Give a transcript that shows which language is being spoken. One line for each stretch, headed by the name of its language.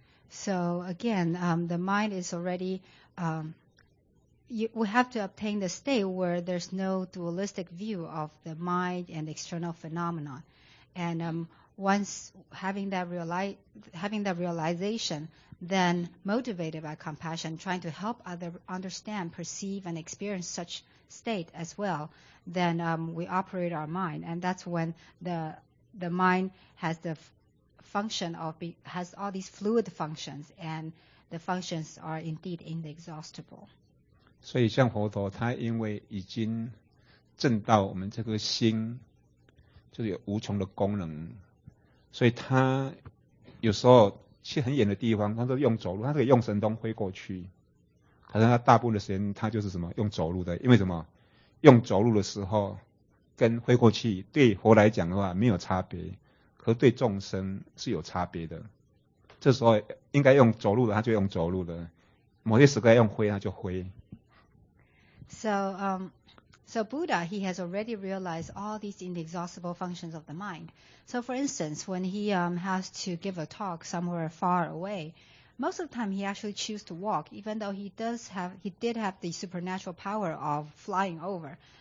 English: So again, the mind is already, we have to obtain the state where there's no dualistic view of the mind and external phenomenon. And once having that, having that realization, then motivated by compassion, trying to help others understand, perceive, and experience such state as well, then we operate our mind. And that's when the mind has the function of has all these fluid functions, and the functions are indeed inexhaustible.
Chinese: 所以像佛陀他因为已经证到我们这颗心就是有无穷的功能，所以他有时候去很远的地方他都用走路，他可以用神通飞过去，可是他大部分的时间他就是什么用走路的。因为什么？用走路的时候跟飞过去对佛来讲的话没有差别，可是对众生是有差别的。这时候应该用走路的他就用走路的，某些时刻用飞他就飞。
English: So Buddha, he has already realized all these inexhaustible functions of the mind. So for instance, when he has to give a talk somewhere far away, most of the time he actually chooses to walk, even though he did have the supernatural power of flying over.